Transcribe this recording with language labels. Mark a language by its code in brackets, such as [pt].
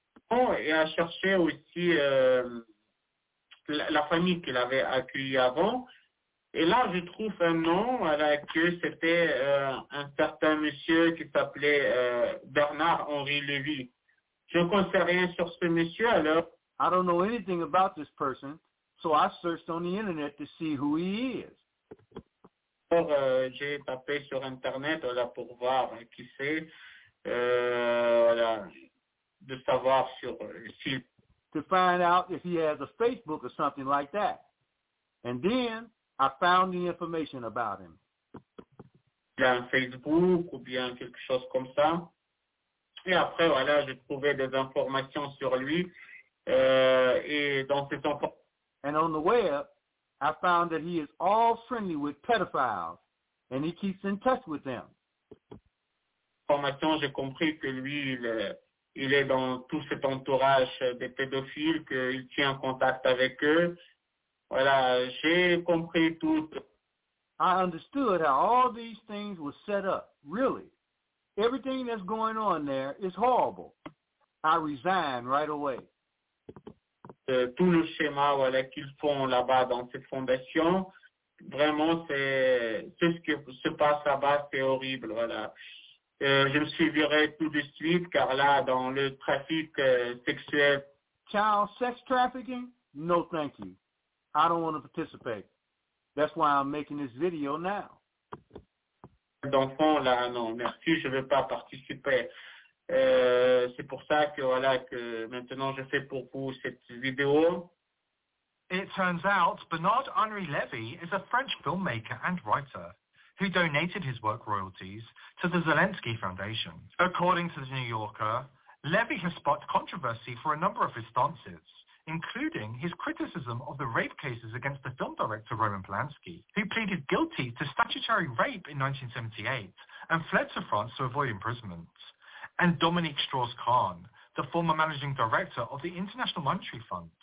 [fr] Bon, et à chercher aussi la famille qu'il avait accueillie avant. Et là, je trouve un nom avec que c'était un certain monsieur qui s'appelait Bernard-Henri Levy. Je ne connaissais rien sur ce monsieur, alors. [en] I don't know anything about this person, so I searched on the Internet to see who he is. [fr] Alors, j'ai tapé sur Internet voilà, pour voir qui c'est, voilà, de savoir sur si... [en] To find out if he has a Facebook or something like that. And then... I found the information about him. [fr] Yeah, Facebook ou bien quelque chose comme ça. Et après, voilà, j'ai trouvé des informations sur lui. Et dans ces [en] And on the web, I found that he is all friendly with pedophiles, and he keeps in touch with them. [fr] Information, j'ai compris que lui, il est dans tout cet entourage des pédophiles, qu'il tient en contact avec eux. Voilà, j'ai compris tout. [en] I understood how all these things were set up, really. Everything that's going on there is horrible. I resigned right away. [fr] Tout le schéma voilà, qu'ils font là-bas dans cette fondation, vraiment, c'est ce qui se passe là-bas, c'est horrible. Voilà. Je me suis viré tout de suite, car là, dans le trafic sexuel... [en] Child sex trafficking? No, thank you. I don't want to participate. That's why I'm making this video now. [fr] D'enfant, là, non, merci, je ne veux pas participer. C'est pour ça que, voilà, que maintenant je fais pour vous cette vidéo. [en] It turns out Bernard Henri Levy is a French filmmaker and writer who donated his work royalties to the Zelensky Foundation. According to The New Yorker, Levy has sparked controversy for a number of his stances, including his criticism of the rape cases against the film director Roman Polanski, who pleaded guilty to statutory rape in 1978 and fled to France to avoid imprisonment, and Dominique Strauss-Kahn, the former managing director of the International Monetary Fund.